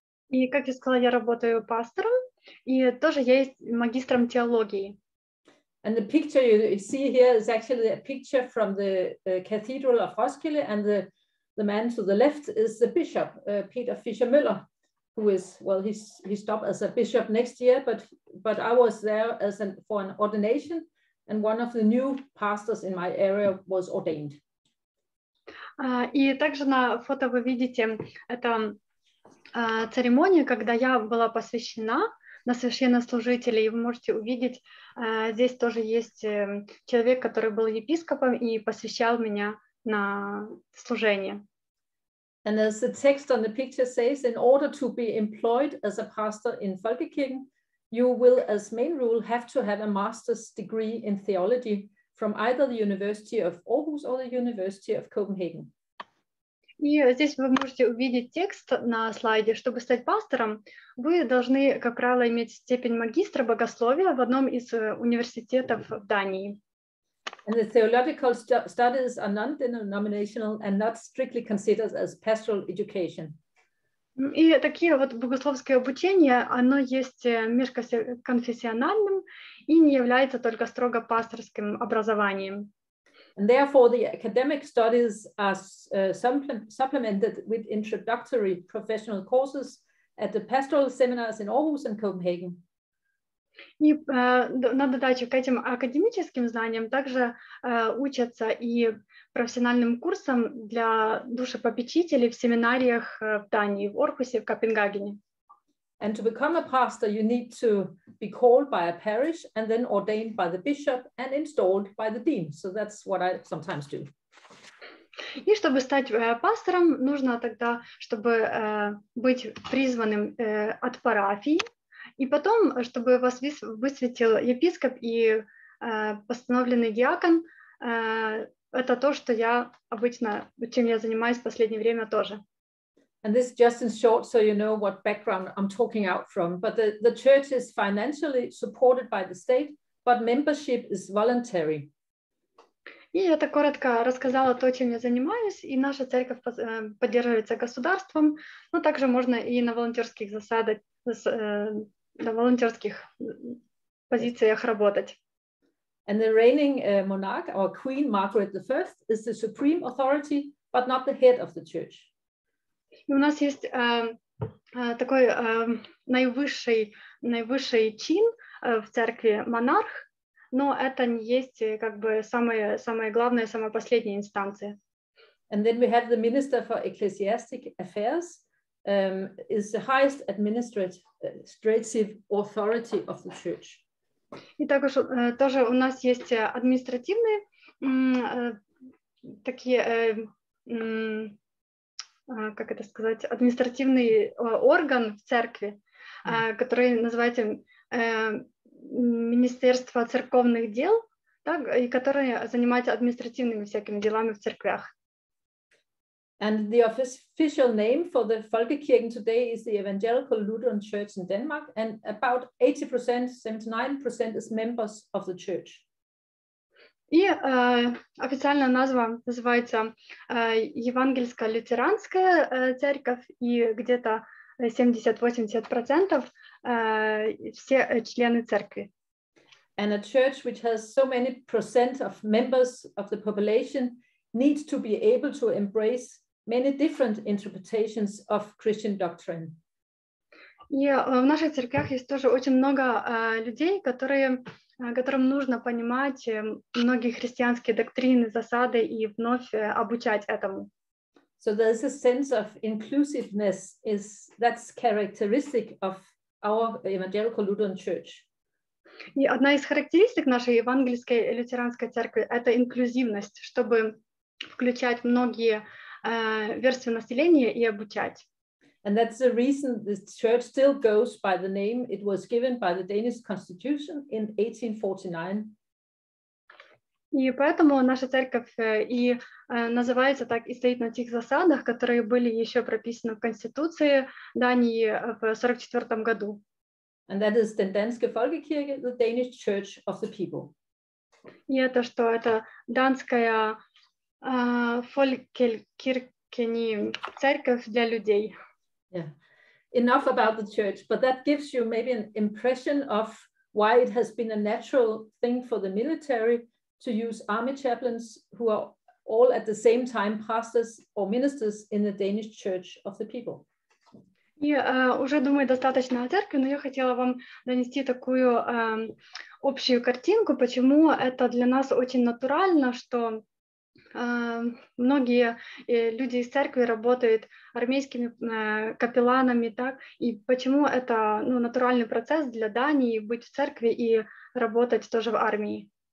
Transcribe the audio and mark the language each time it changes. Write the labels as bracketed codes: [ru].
[ru] И, как я сказала, я работаю пастором. И тоже я есть магистром теологии. [en] And the picture you see here is actually a picture from the Cathedral of Roskilde, and the man to the left is the bishop, Peter Fischer Müller, who is, well, he stopped as a bishop next year, but I was there for an ordination, And one of the new pastors in my area was ordained. [ru] И также на фото вы видите это церемонию, когда я была посвящена на священнослужителя. И вы можете увидеть, здесь тоже есть человек, который был епископом и посвящал меня на служение. [en] And as the text on the picture says, in order to be employed as a pastor in Folkekirken, you will, as main rule, have to have a master's degree in theology from either the University of Aarhus or the University of Copenhagen. [ru] И здесь вы можете увидеть текст на слайде. Чтобы стать пастором, вы должны, как правило, иметь степень магистра богословия в одном из университетов в Дании. [en] And the theological studies are non-denominational and not strictly considered as pastoral education. [ru] И такие вот богословские обучения, оно есть межконфессиональным и не является только строго пасторским образованием. [en] And therefore, the academic studies are supplemented with introductory professional courses at the pastoral seminars in Aarhus and Copenhagen. [ru] И на додачу к этим академическим знаниям также учатся и профессиональным курсом для душепопечителей в семинариях в Дании, в Орхусе, в Копенгагене. [en] And to become a pastor, you need to be called by a parish and then ordained by the bishop and installed by the dean. So that's what I sometimes do. [ru] И чтобы стать пастором, нужно тогда, чтобы быть призванным от парафии, и потом, чтобы вас высветил епископ и постановленный диакон, это то, что я обычно, чем я занимаюсь в последнее время тоже. [en] And this just in short, so you know what background I'm talking out from. But the church is financially supported by the state, but membership is voluntary. [ru] И это коротко рассказала то, чем я занимаюсь, и наша церковь поддерживается государством, но также можно и на волонтерских засадах, на волонтерских позициях работать. [en] And the reigning monarch, or Queen Margaret I, is the supreme authority, but not the head of the church. [ru] И у нас есть такой наивысший чин в церкви монарх, но это не есть как бы самая главная, самая последняя инстанция. [en] And then we have the Minister for Ecclesiastic Affairs, is the highest administrative authority of the church. [ru] И также тоже у нас есть административные такие, как это сказать, административный орган в церкви, который называется Министерство церковных дел, так, и который занимается административными всякими делами в церквях. [en] And the official name for the Folkekirken today is the Evangelical Lutheran Church in Denmark, and about 80%, 79% is members of the church. [ru] И официальное название называется Евангельско-лютеранская церковь, и где-то 70-80% все члены церкви. [en] And a church which has so many percent of members of the population needs to be able to embrace many different interpretations of Christian doctrine. [ru] В наших церквях есть тоже очень много людей, которым нужно понимать многие христианские доктрины, засады и вновь обучать этому. [en] So there's a sense of inclusiveness that's characteristic of our Evangelical Lutheran Church. [ru] И одна из характеристик нашей Евангельской лютеранской церкви — это инклюзивность, чтобы включать многие версию населения и обучать. [en] And that's the reason the church still goes by the name it was given by the Danish constitution in 1849. [ru] И поэтому наша церковь и называется так и стоит на тех засадах, которые были еще прописаны в конституции Дании в 44 году. [en] And that is the Danske Folkekirke, the Danish church of the people. [ru] И это что? Это Данская Фолькеркини, церковь для людей. [en] Yeah. Enough about the church, but that gives you maybe an impression of why it has been a natural thing for the military to use army chaplains who are all at the same time pastors or ministers in the Danish church of the people. [ru] Я уже думаю достаточно о церкви, но я хотела вам донести такую общую картинку, почему это для нас очень натурально, что многие люди из церкви работают армейскими капелланами, так, и почему это, ну, натуральный процесс для Дании быть в церкви и работать тоже в армии.